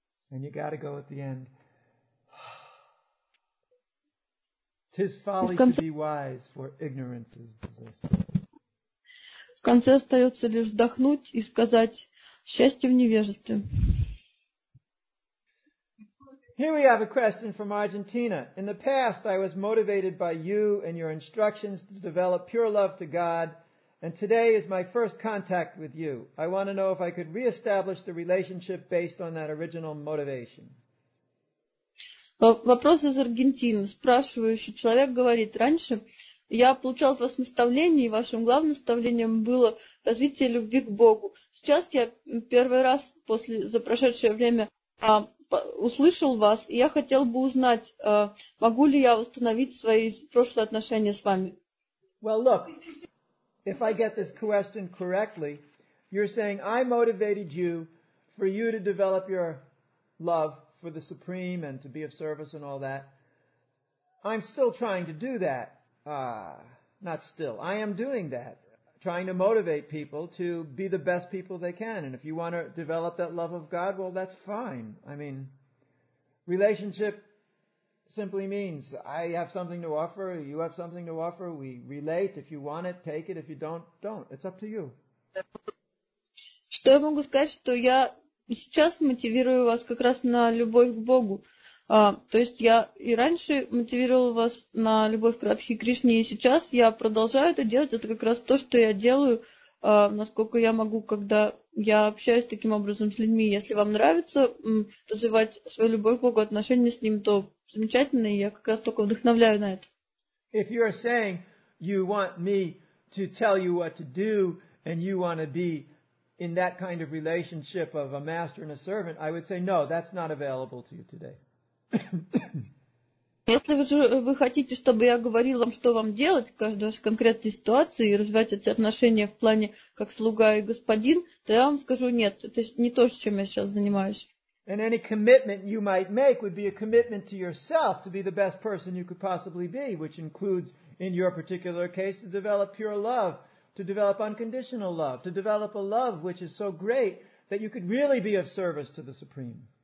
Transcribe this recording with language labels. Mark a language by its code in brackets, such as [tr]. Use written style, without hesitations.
[en] And you gotta go at the end. Tis folly to be wise, for ignorance is bliss. [ru] В конце остается лишь вдохнуть и сказать: счастье в невежестве. [en] Here we have a question from Argentina. In the past, I was motivated by you and your instructions to develop pure love to God, and today is my first contact with you. I want to know if I could reestablish the relationship based on that original motivation. [ru] Вопрос из Аргентины. Спрашивающий человек говорит: раньше я получал от вас наставление, и вашим главным наставлением было развитие любви к Богу. Сейчас я первый раз за прошедшее время услышал вас, и я хотел бы узнать, могу ли я восстановить свои прошлые отношения с вами. [en] Well, look, if I get this question correctly, you're saying I motivated you for you to develop your love for the Supreme and to be of service and all that. I'm still trying to do that. Not still. I am doing that. Trying to motivate people to be the best people they can. And if you want to develop that love of God, well, that's fine. I mean, relationship simply means I have something to offer, you have something to offer, we relate. If you want it, take it. If you don't, don't. It's up to you. [ru] Что я могу сказать, что я сейчас мотивирую вас как раз на любовь к Богу. То есть я и раньше мотивировал вас на любовь к Радхе Кришне, и сейчас я продолжаю это делать. Это как раз то, что я делаю, насколько я могу, когда я общаюсь таким образом с людьми. Если вам нравится развивать свою любовь к Богу, отношения с Ним, то замечательно, и я как раз только вдохновляю на это. [en] If you're saying you want me to tell you what to do, and you want to be in that kind of relationship of a master and a servant, I would say, no, that's not available to you today. [ru] Если вы хотите, чтобы я говорил вам, что вам делать в каждой конкретной ситуации и развивать эти отношения в плане как слуга и господин, то я вам скажу, нет, это не то, чем я сейчас занимаюсь. [en] And any commitment you might make would be a commitment to yourself to be the best person you could possibly be, which includes, in your particular case, to develop pure love. To develop unconditional love, to develop a love which is so great that you could really be of service to the Supreme.